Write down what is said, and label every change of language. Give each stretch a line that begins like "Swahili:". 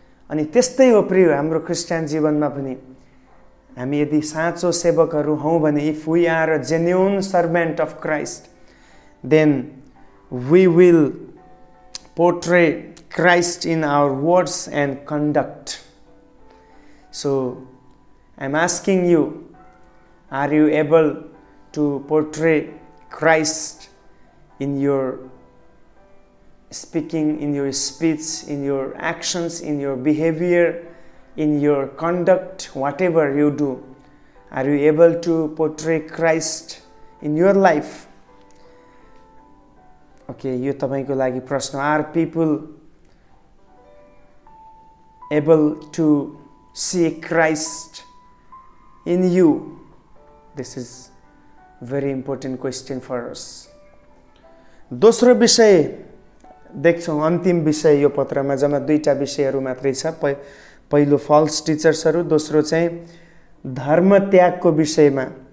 Nepali: अनि त्यस्तै हो प्रिय हाम्रो क्रिस्चियन जीवनमा पनि हामी यदि साँचो सेवकहरू हौँ भने
English: If we are a genuine servant of Christ then we will portray Christ in our words and conduct so I am asking you are you able to portray Christ in your speaking in your speech, in your actions, in your behavior, in your conduct, whatever you do, are you able to portray Christ in your life?
Nepali: Okay, yo tapai ko lagi prashna.
English: Are people able to see Christ in you? This is a very important question for us.
Nepali: Dosro bishay. देख्छौँ अन्तिम विषय यो पत्रमा जम्मा दुईवटा विषयहरू मात्रै छ पहिलो फल्स टिचर्सहरू दोस्रो चाहिँ धर्म त्यागको विषयमा